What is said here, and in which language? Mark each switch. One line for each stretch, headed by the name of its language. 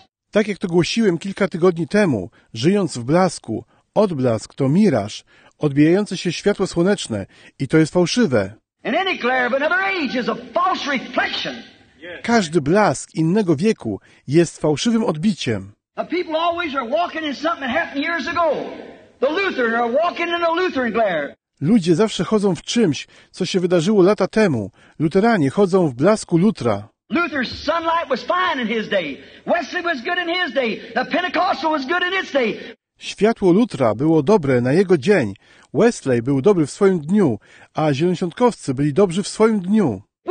Polish: Tak jak to głosiłem kilka tygodni temu, żyjąc w blasku, odblask to miraż, odbijające się światło słoneczne i to jest fałszywe.
English: And any glare of another age is a false reflection.
Polish: Każdy blask innego wieku jest fałszywym odbiciem.
English: The people always are walking in something that happened years ago. The Lutheran are walking in a Lutheran glare.
Polish: Ludzie zawsze chodzą w czymś, co się wydarzyło lata temu. Luteranie chodzą w blasku Lutra.
English: Luther's sunlight was fine in his day. Wesley was good in his day. The Pentecostal was good in its day.
Polish: Światło Lutra było dobre na jego dzień. Wesley był dobry w swoim dniu, a zielonoświątkowcy byli dobrzy w swoim dniu.